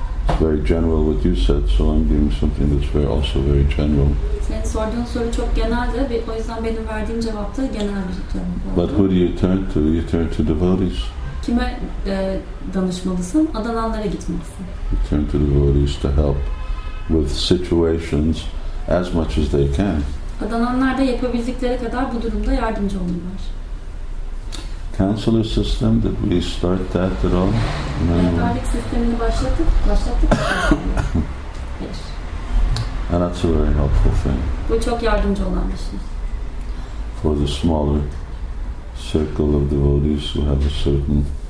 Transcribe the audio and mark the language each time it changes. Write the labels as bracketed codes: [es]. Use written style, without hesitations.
[en] It's very general what you said, so I'm giving something that's very also very general. [tr] Senin sorduğun soru çok geneldi, o yüzden benim verdiğim cevap da genel bir cevap. [en] But who do you turn to? You turn to devotees. [tr] Kime danışmalısın? Adananlara gitmelisin. [en] You turn to devotees to help with situations as much as they can. [tr] Adananlar da yapabildikleri kadar bu durumda yardımcı oluyorlar. [en] Counselor system, did we start that at all? No. And that's a very helpful thing. [tr] Bu çok yardımcı olan bir şey. [en] For the smaller circle of devotees who have a certain...